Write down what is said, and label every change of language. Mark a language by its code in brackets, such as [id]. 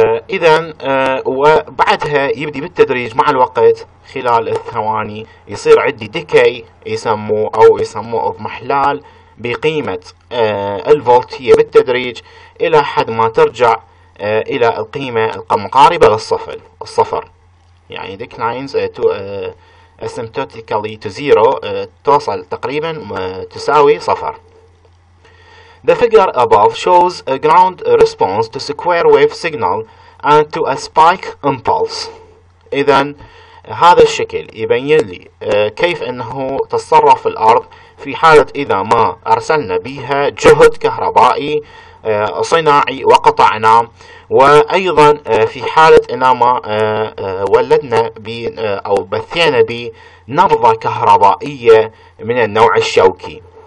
[ar] إذا وبعدها يبدي بالتدريج مع الوقت خلال الثواني يصير عندي ديكي يسموه أو يسموه اضمحلال بقيمة الفولت هي بالتدريج إلى حد ما ترجع إلى القيمة المقاربة للصفر. الصفر يعني [en] declines asymptotically to zero [ar] توصل تقريبا تساوي صفر. [en] The figure above shows a ground response to square wave signal and to a spike impulse. [ar] إذا هذا الشكل يبين لي كيف أنه تصرف الأرض في حالة إذا ما أرسلنا بها جهد كهربائي صناعي وقطعنا، وأيضا في حالة إن ما ولدنا بي أو بثينا بنبضة كهربائية من النوع الشوكي.